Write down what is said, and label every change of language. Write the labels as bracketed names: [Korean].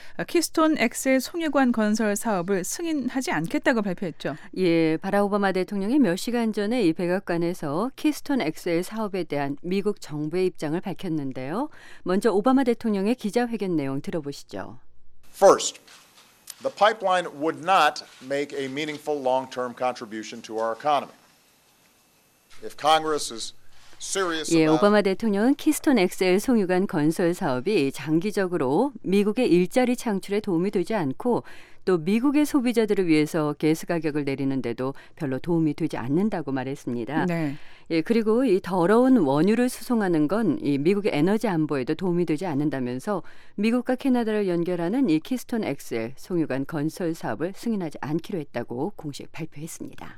[Korean] 키스톤 엑셀 송유관 건설 사업을 승인하지 않겠다고 발표했죠. 예, 바락 오바마 대통령이 몇 시간 전에 이 백악관에서 키스톤 엑셀 사업에 대한 미국 정부의 입장을 밝혔는데요. 먼저 오바마 대통령의 기자회견 내용 들어보시죠. [English] First, the pipeline would not make a meaningful long-term contribution to our economy. If Congress is [Korean] 예, 오바마 대통령은 키스톤 XL 송유관 건설 사업이 장기적으로 미국의 일자리 창출에 도움이 되지 않고 또 미국의 소비자들을 위해서 가스 가격을 내리는데도 별로 도움이 되지 않는다고 말했습니다. 네. 예, 그리고 이 더러운 원유를 수송하는 건 이 미국의 에너지 안보에도 도움이 되지 않는다면서 미국과 캐나다를 연결하는 이 키스톤 XL 송유관 건설 사업을 승인하지 않기로 했다고 공식 발표했습니다.